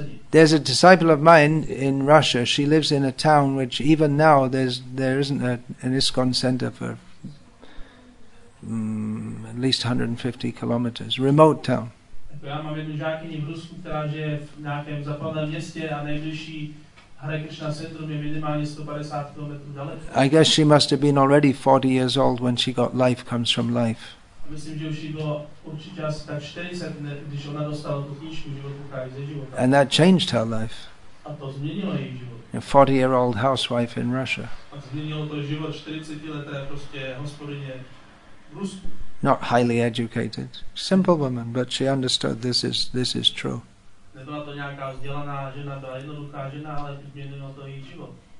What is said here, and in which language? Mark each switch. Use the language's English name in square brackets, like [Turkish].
[English] There's a disciple of mine in Russia. She lives in a town which even now there isn't an ISKCON center for at least 150 kilometers, remote town. I guess she must have been already 40 years old when she got life comes from life. [Czech] myslím, že už jí bylo určitě asi tak 40, když ona dostala tu knížku Život Kráje ze života. [English] And that changed her life. [Czech] A to změnilo její život. [English] A 40-year-old housewife in Russia. [Czech] A změnilo to život 40-leté prostě hospodyně v Rusku. [English] Not highly educated, simple woman, but she understood this is true. [Czech] Nebyla to nějaká vzdělaná žena, byla jednoduchá žena, ale změnilo to její život.